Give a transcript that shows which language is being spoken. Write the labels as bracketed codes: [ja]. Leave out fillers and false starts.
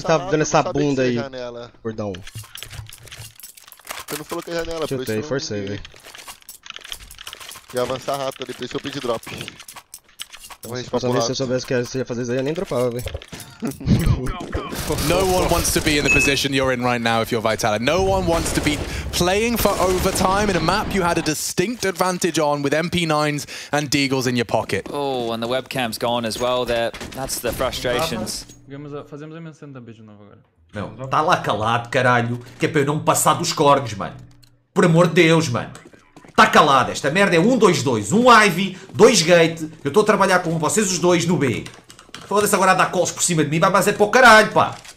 [pt] Você tá dando essa bunda aí, gordão. Você não falou que é janela, chutei, por isso. Chutei, forcei, velho. Ia avançar rápido ali, por isso eu pedi drop. Então, se, se eu soubesse que você ia fazer isso aí, eu nem dropava, velho. [en] No one wants to be in the position you're in right now if you're Vitality. No one wants to be playing for overtime in a map you had a distinct advantage on with MP9s and deagles in your pocket. Oh, and the webcam's gone as well there. That's the frustrations. [pt] Fazemos a menção da B de novo agora. Meu, tá lá calado, caralho, que é para eu não me passar dos corgos, mano. Por amor de Deus, mano. Tá calado, esta merda é 1-2-2. Um Ivy, dois Gate. Eu estou a trabalhar com vocês os dois no B. Foda-se agora a dar calls por cima de mim, vai fazer para o caralho, pá.